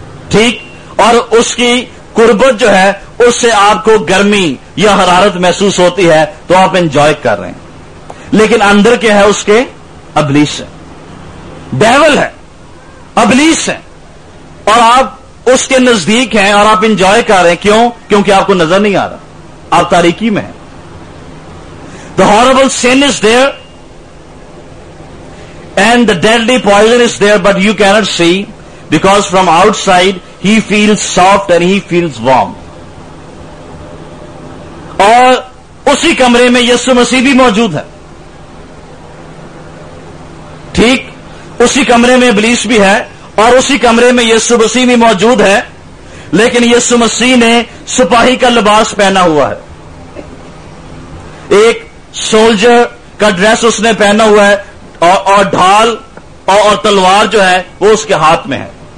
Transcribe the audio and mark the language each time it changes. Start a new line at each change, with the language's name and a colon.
Urdu: ٹھیک, اور اس کی قربت جو ہے اس سے آپ کو گرمی یا حرارت محسوس ہوتی ہے تو آپ انجوائے کر رہے ہیں. لیکن اندر کیا ہے اس کے؟ ابلیس ہے, ڈیول ہے, ابلیس ہے, اور آپ اس کے نزدیک ہیں اور آپ انجوائے کر رہے ہیں. کیوں؟ کیونکہ آپ کو نظر نہیں آ رہا, آپ تاریکی میں ہیں.
English: The horrible sin is there and the deadly poison is there but you can't see because from outside he feels soft and he feels warm.
Urdu: اور اسی کمرے میں یسوع مسیح بھی موجود ہے. ٹھیک, اسی کمرے میں ابلیس بھی ہے اور اسی کمرے میں یسوع مسیح بھی موجود ہے, لیکن یسوع مسیح نے سپاہی کا لباس پہنا ہوا ہے, ایک سولجر کا ڈریس اس نے پہنا ہوا ہے, اور ڈھال اور تلوار جو ہے وہ اس کے ہاتھ میں ہے.